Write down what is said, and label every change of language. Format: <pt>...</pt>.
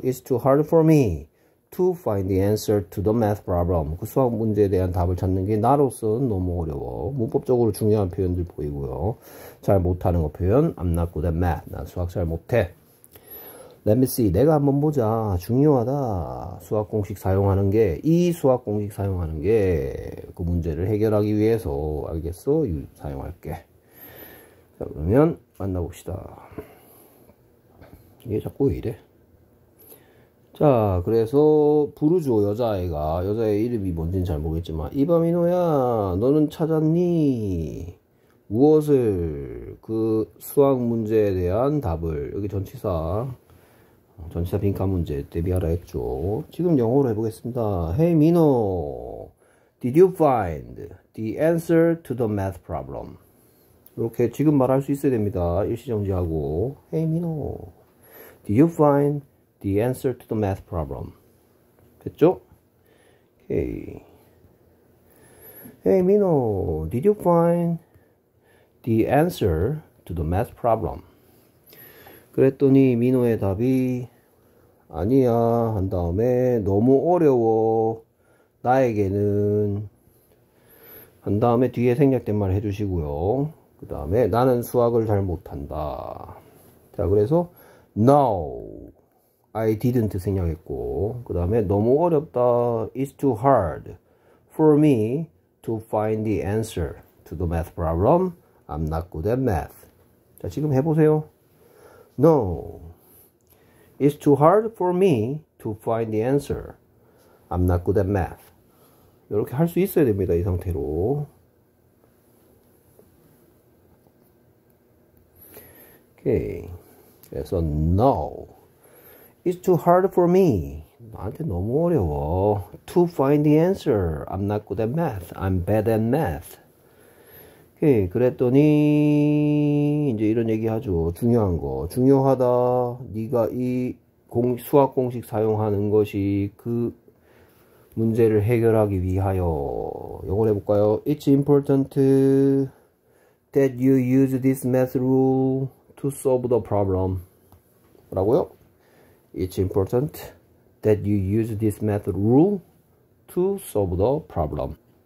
<en>It's too hard for me to find the answer to the math problem.</en> <ko>그 수학 문제에 대한 답을 찾는 게 나로서는 너무 어려워. 문법적으로 중요한 표현들 보이고요. 잘 못하는 거 표현,</ko> <en>I'm not good at math.</en> <ko>난 수학 잘 못해.</ko> <en>Let me see.</en> <ko>내가 한번 보자. 중요하다. 수학 공식 사용하는 게, 이 수학 공식 사용하는 게 그 문제를 해결하기 위해서 알겠어? 사용할게. 자, 그러면 만나봅시다. 이게 자꾸 왜 이래? 자, 그래서 부르죠. 여자아이가. 여자의 이름이 뭔지는 잘 모르겠지만 이바미노야, 너는 찾았니? 무엇을? 그 수학 문제에 대한 답을. 여기 전치사. 전치사 빈칸 문제 대비하라 했죠. 지금 영어로 해보겠습니다.</ko> <en>Hey, Mino, did you find the answer to the math problem?</en> <ko>이렇게 지금 말할 수 있어야 됩니다. 일시정지하고.</ko> <en>Hey, Mino, did you find the answer to the math problem?</en> <ko>됐죠? Okay.</ko> <en>Hey, Mino, did you find the answer to the math problem?</en> <ko>그랬더니 민호의 답이 아니야 한 다음에 너무 어려워 나에게는 한 다음에 뒤에 생략된 말 해주시고요. 그 다음에 나는 수학을 잘 못한다. 자, 그래서</ko> <en>No, I didn't</en> <ko>생략했고 그 다음에 너무 어렵다</ko> <en>It's too hard for me to find the answer to the math problem. I'm not good at math.</en> <ko>자, 지금 해보세요.</ko> <en>No, it's too hard for me to find the answer. I'm not good at math.</en> <ko>이렇게 할수 있어야 됩니다. 이 상태로. 오케이. 그래서</ko> <en>no, it's too hard for me.</en> <ko>나한테 너무 어려워.</ko> <en>To find the answer, I'm not good at math. I'm bad at math.</en> <ko>오케이, 그랬더니 이제 이런 얘기하죠. 중요한 거. 중요하다. 네가 이 수학 공식 사용하는 것이 그 문제를 해결하기 위하여. 요걸 해볼까요?</ko> <en>It's important that you use this math rule to solve the problem.</en> <ko>뭐라고요?</ko> <en>It's important that you use this math rule to solve the problem.</en>